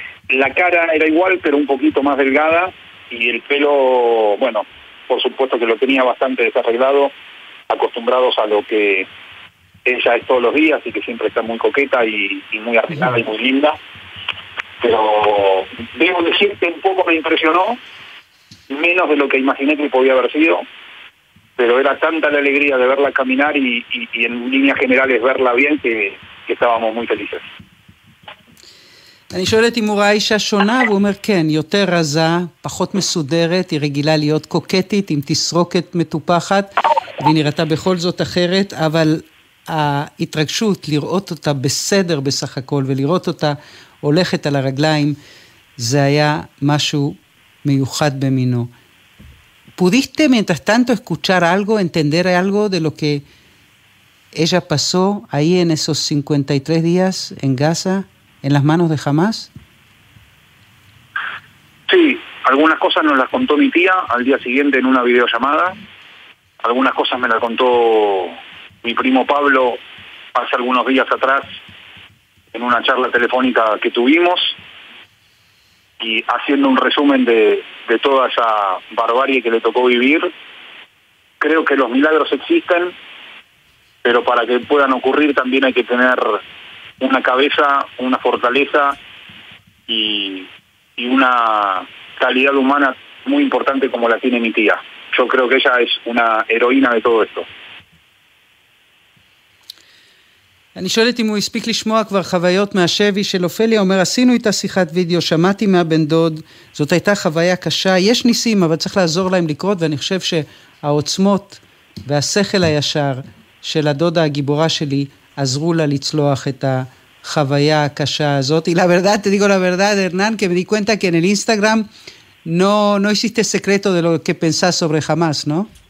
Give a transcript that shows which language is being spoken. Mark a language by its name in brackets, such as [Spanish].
[Spanish] La cara era igual, pero un poquito más delgada. Y el pelo, bueno, por supuesto que lo tenía bastante desarreglado, acostumbrados a lo que ella es todos los días y que siempre está muy coqueta y muy arreglada y muy linda. Pero debo decir que un poco me impresionó, menos de lo que imaginé que podía haber sido, pero era tanta la alegría de verla caminar y en líneas generales verla bien que estábamos muy felices. [Hebrew] אני שואלת אם הוא ראה אישה שונה, והוא אומר כן, יותר רזה, פחות מסודרת, היא רגילה להיות קוקטית עם תסרוקת מטופחת, והיא נראתה בכל זאת אחרת, אבל ההתרגשות לראות אותה בסדר בסך הכל, ולראות אותה הולכת על הרגליים, זה היה משהו מיוחד במינו. [Spanish] ¿Pudiste mientras tanto escuchar algo, entender algo de lo que ella pasó ahí en esos 53 días en Gaza? ¿En las manos de Hamás? Sí, algunas cosas nos las contó mi tía al día siguiente en una videollamada. Algunas cosas me las contó mi primo Pablo hace algunos días atrás en una charla telefónica que tuvimos. Y haciendo un resumen de toda esa barbarie que le tocó vivir, creo que los milagros existen, pero para que puedan ocurrir también hay que tener una cabeza, una fortaleza y una calidad humana muy importante como la tiene mi tía. Yo creo que ella es una heroína de todo esto. [Hebrew] אני שואלת אם הוא הספיק לשמוע כבר חוויות מהשבי של אופליה, אומר, עשינו איתה שיחת וידאו, שמעתי מהבן דוד, זאת הייתה חוויה קשה, יש ניסים, אבל צריך לעזור להם לקרות, ואני חושב שהעוצמות והשכל הישר של הדודה הגיבורה שלי עזרו לה לצלוח את החוויה הקשה הזאת. [Spanish] Y la verdad, te digo la verdad, Hernán, que me di cuenta que en el Instagram no hiciste secreto de lo que pensás sobre Hamás, ¿no?